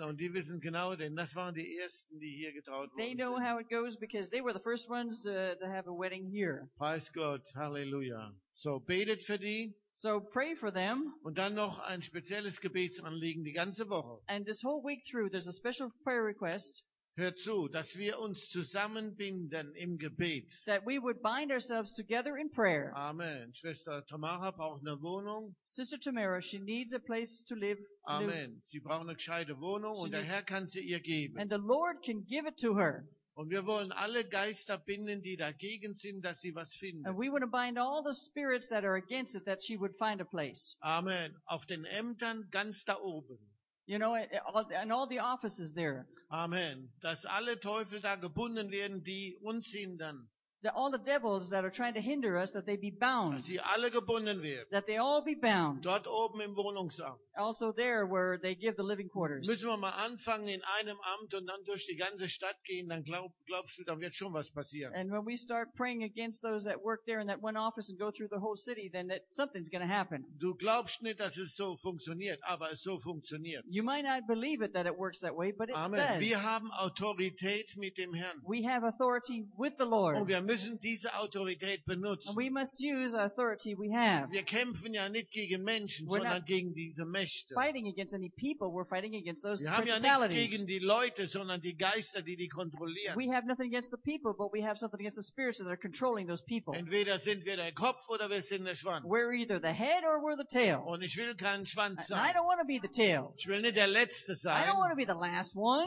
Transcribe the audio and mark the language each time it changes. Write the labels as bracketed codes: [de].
[de] Und die wissen genau, denn das waren die ersten, die hier getraut wurden. [en] They know how it goes because they were the first ones to have a wedding here. [de] Preis Gott, Halleluja. So betet für die. [en] So pray for them. [de] Und dann noch ein spezielles Gebetsanliegen die ganze Woche. [en] And this whole week through, there's a special prayer request. [de] Hört zu, dass wir uns zusammenbinden im Gebet. [en] That we would bind ourselves together in prayer. [de] Amen. Schwester Tamara braucht eine Wohnung. [en] Sister Tamara, she needs a place to live. [de] Amen. Sie braucht eine gescheite Wohnung und der Herr kann sie ihr geben. [en] And the Lord can give it to her. [de] Und wir wollen alle Geister binden, die dagegen sind, dass sie was finden. [en] And we want to bind all the spirits that are against it, that she would find a place. [de] Amen. Auf den Ämtern ganz da oben. [en] You know, and all the offices there. [de] Amen. Dass alle Teufel da gebunden werden, die uns hindern. [en] That all the devils that are trying to hinder us, that they be bound. [de] Dass sie alle gebunden werden. [en] That they all be bound. [de] Dort oben im Wohnungsamt. [en] Also there where they give the living quarters. [de] Müssen wir mal anfangen in einem Amt und dann durch die ganze Stadt gehen, dann glaubst du, dann wird schon was passieren. [en] And when we start praying against those that work there in that one office and go through the whole city, then that something's going to happen. [de] Du glaubst nicht, dass es so funktioniert, aber es so funktioniert. [en] You might not believe it that it works that way, but it [de] Amen. Wir haben Autorität mit dem Herrn. [en] We have authority with the Lord. [de] Und wir müssen diese Autorität benutzen. [en] And we must use the authority we have. [de] Wir kämpfen ja nicht gegen Menschen, [en] we're [de] sondern gegen diese Mächte. [en] Fighting against any people, we're fighting against those principalities. [de] Wir haben ja nichts gegen die Leute, sondern die Geister, die kontrollieren. [en] We have nothing against the people, but we have something against the spirits that are controlling those people. [de] Entweder sind wir der Kopf oder wir sind der Schwanz. [en] We're either the head or we're the tail. [de] Und ich will kein Schwanz sein. [en] I don't want to be the tail. [de] Ich will nicht der Letzte sein. [en] I don't want to be the last one.